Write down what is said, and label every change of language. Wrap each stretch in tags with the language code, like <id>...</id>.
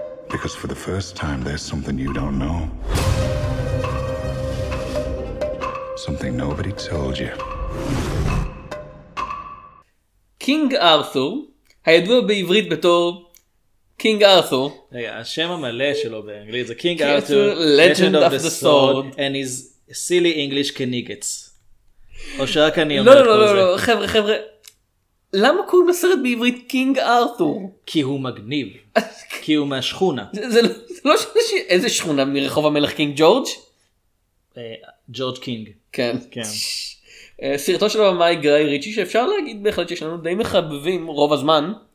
<en>Because for the first time, there's something you don't know. Something nobody told you.</en> <he>King Arthur, הידוע בעברית בתור King Arthur. רגע, השם המלא שלו באנגלית זה King</he> <en>Arthur, Legend of the Sword, and his silly English kniggets.</en> <he>או שרק אני אומר את כל זה. לא, חבר'ה, למה קוראים לסרט בעברית קינג ארתור? כי הוא מגניב, כי הוא מהשכונה. זה לא ש... איזה שכונה? מרחוב המלך קינג ג'ורג'? ג'ורג' קינג. כן. סרטו של הבמאי גיא ריצ'י, שאפשר להגיד בהחלט שיש לנו די מחבבים רוב הזמן.</he>